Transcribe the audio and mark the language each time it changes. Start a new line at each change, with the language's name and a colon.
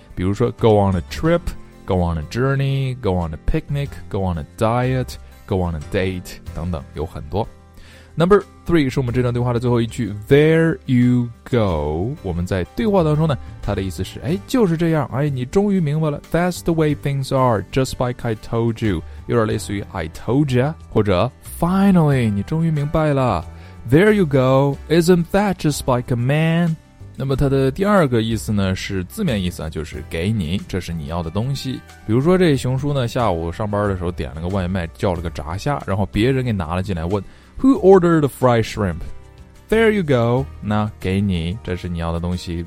English: 比如说 go on a trip, go on a journey, go on a picnic, go on a diet, go on a date,
Chinese: 等等，有很多。
English: Number three
Chinese: 是我们这段对话的最后一句
English: There you go.
Chinese: 我们在对话当中呢，他的意思是哎，就是这样，哎，你终于明白了。
English: That's the way things are, just like I told you.
Chinese: 有点类似于
English: I told you,
Chinese: 或者
English: Finally,
Chinese: 你终于明白了。
English: There you go, isn't that just like a man?
Chinese: 那么他的第二个意思呢，是字面意思啊，就是给你，这是你要的东西。比如说这熊叔呢，下午上班的时候点了个外卖，叫了个炸虾，然后别人给拿了进来问
English: Who ordered the fried shrimp? There you go.
Chinese: 那给你，这是你要的东西。